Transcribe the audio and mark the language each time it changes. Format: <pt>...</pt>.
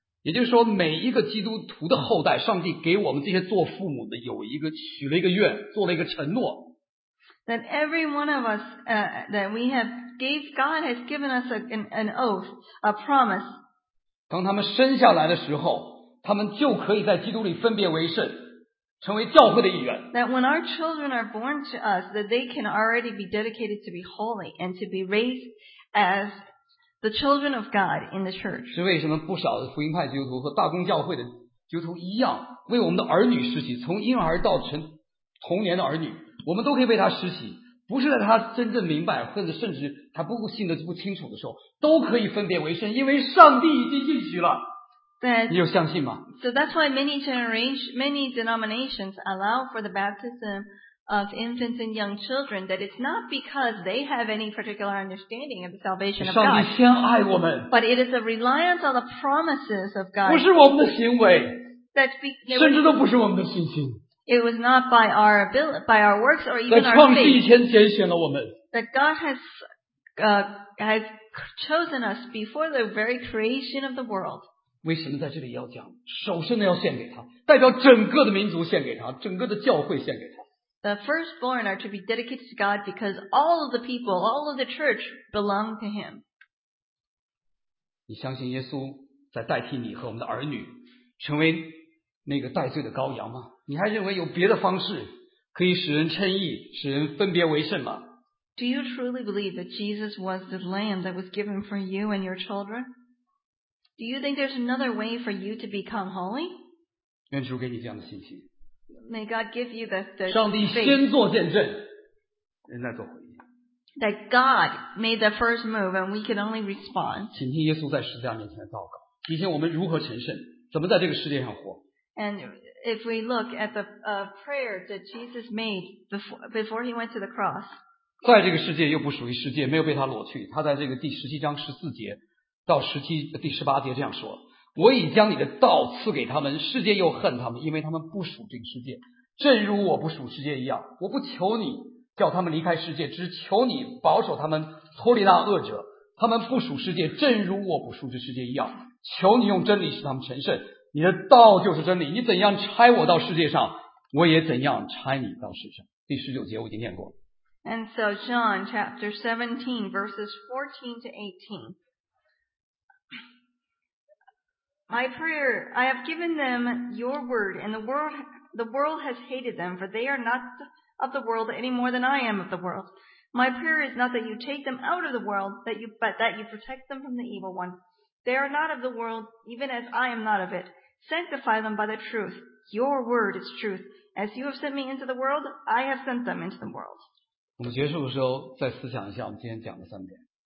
<zh>也就是说，每一个基督徒的后代，上帝给我们这些做父母的有一个许了一个愿，做了一个承诺。</zh> <en>That every one of us, that we have gave, God has given us an oath, a promise.</en> <zh>当他们生下来的时候，他们就可以在基督里分别为圣，成为教会的一员。</zh> <en>That when our children are born to us, that they can already be dedicated to be holy and to be raised as the children of God in the church.</en> <zh>是为什么不少的福音派基督徒和大公教会的基督徒一样，为我们的儿女施洗，从婴儿到成童年的儿女。我们都可以为他施洗，不是在他真正明白，或者甚至他不信得不清楚的时候，都可以分别为圣，因为上帝已经应许了。你有相信吗</zh> <en>？So that's why many denominations allow for the baptism of infants and young children. That it's not because they have any particular understanding of the salvation of God.</en> <zh>上帝先爱我们。</zh> <en>But it is a reliance on the promises of God.</en> <zh>不是我们的行为。</zh> <en>That</en> <zh>甚至都不是我们的信心。</zh> <en>It was not by our works or even our faith.</en> <zh>在创世以前拣选了我们。</zh> <en>That God has chosen us before the very creation of the world.</en> <zh>为什么在这里要讲首先的要献给他，代表整个的民族献给他，整个的教会献给他。</zh> <en>The firstborn are to be dedicated to God because all of the people, all of the church belong to Him.</en> <zh>你相信耶稣在代替你和我们的儿女，成为那个代罪的羔羊吗？你还认为有别的方式可以使人称义，使人分别为圣吗</zh> <en>？Do you truly believe that Jesus was the Lamb that was given for you and your children? Do you think there's another way for you to become holy?</en> <zh>愿主给你这样的信心。</zh> <en>May God give you the</en> <zh>上帝先做见证，人来做回应。</zh> <en>That God made the first move and we can only respond.</en> <zh>请听耶稣在十字架面前的祷告，提醒我们如何成圣，怎么在这个世界上活。</zh> <en>And if we look at the prayer that Jesus made before he went to the cross,</en> <zh>在这个世界又不属于世界，没有被他掳去。他在这个第十七章十四节到第十八节这样说：“我已将你的道赐给他们，世界又恨他们，因为他们不属这个世界，正如我不属世界一样。我不求你叫他们离开世界，只求你保守他们脱离那恶者。他们不属世界，正如我不属这世界一样。求你用真理使他们成圣。”你的道就是真理，你怎样差我到世界上，我也怎样差你到世上。第十九节我已经念过。</zh> <en>And so John chapter 17 verses 14 to 18. My prayer, I have given them your word, and the world has hated them, for they are not of the world any more than I am of the world. My prayer is not that you take them out of the world, but that you protect them from the evil one. They are not of the world, even as I am not of it. Sanctify them by the truth. Your word is truth. As you have sent me into the world, I have sent them into the world.</en> <zh>我们结束的时候再思想一下我们今天讲的三点。</zh>